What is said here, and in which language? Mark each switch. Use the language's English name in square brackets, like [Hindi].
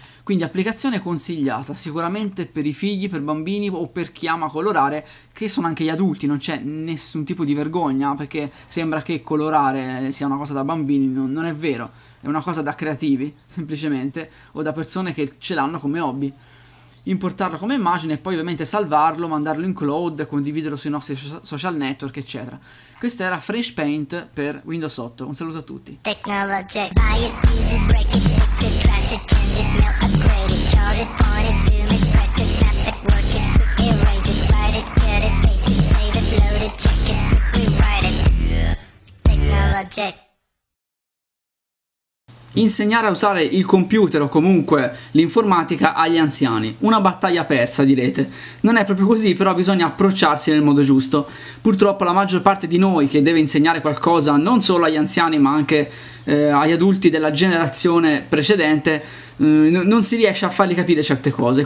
[Italian] Quindi applicazione consigliata sicuramente per i figli, per bambini o per chi ama colorare, che sono anche gli adulti, non c'è nessun tipo di vergogna, perché sembra che colorare sia una cosa da bambini, non è vero, è una cosa da creativi, semplicemente, o da persone che ce l'hanno come hobby. Importarlo come immagine e poi ovviamente salvarlo, mandarlo in cloud, condividerlo sui nostri social network, eccetera. Questo era Fresh Paint per Windows 8, un saluto a tutti. [English] Technology, buy it easy, break it, fix it, trash it, change it, melt, upgrade it, charge it, point it, zoom it, press it, snap it, work it, erase it, write it, cut it, paste it, save it, load it, check it, rewrite it. Technology. [Italian] Insegnare a usare il computer o comunque l'informatica agli anziani. Una battaglia persa, direte. Non è proprio così, però bisogna approcciarsi nel modo giusto. Purtroppo la maggior parte di noi che deve insegnare qualcosa non solo agli anziani, ma anche agli adulti della generazione precedente, non si riesce a fargli capire certe cose.